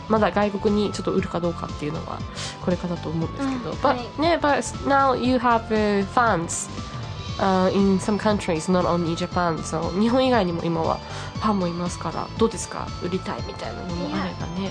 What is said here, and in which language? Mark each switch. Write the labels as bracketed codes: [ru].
[ja] まだ外国にちょっと売るかどうかっていうのはこれかだと思うんですけど。 [en] But, yeah, but now you have fans in some countries, not only Japan. [ja] So, 日本以外にも今はファンもいますから、どうですか？売りたいみたいなのもあればね。